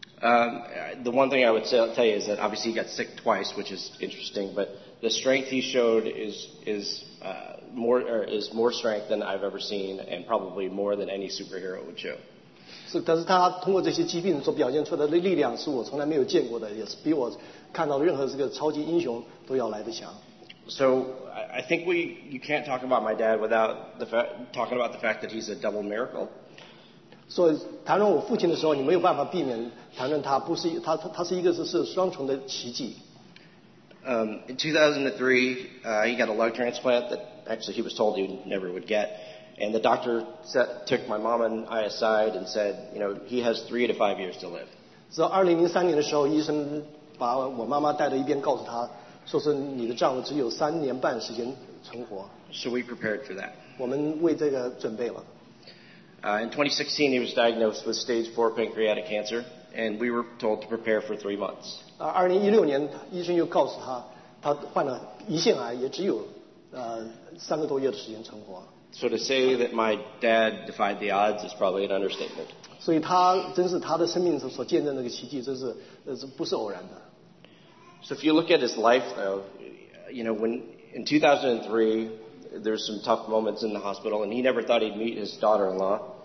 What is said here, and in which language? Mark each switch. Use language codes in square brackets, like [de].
[en] The one thing I would tell you is that obviously he got sick twice, which is interesting, but the strength he showed is more strength than I've ever seen, and probably more than any superhero would show. [zh] 但是他通过这些疾病所表现出来的力量，是我从来没有见过的，也是比我看到的任何这个超级英雄都要来得强。So [en] I think you can't talk about my dad without talking about the fact that he's a double miracle. [zh] 所以谈论我父亲的时候，你没有办法避免谈论他是一个双重的奇迹。 [en] In 2003, he got a lung transplant that actually he was told he never would get. And the doctor took my mom and I aside and said, you know, he has 3 to 5 years to live. [zh] So 2003年的时候，医生把我妈妈带到一边，告诉她，说是你的丈夫只有3年半时间存活。 [en] So we prepared for that. [zh] 我们为这个准备了。 [en] In 2016, he was diagnosed with stage 4 pancreatic cancer, and we were told to prepare for 3 months. [zh] 2016年，医生又告诉他，他患了胰腺癌，也只有三个多月的时间存活。 [en] So to say that my dad defied the odds is probably an understatement. [zh] 所以他真是他的生命所见证的那个奇迹，这是不是偶然的。 [en] So if you look at his life, though, you know, when in 2003, there's some tough moments in the hospital, and he never thought he'd meet his daughter-in-law.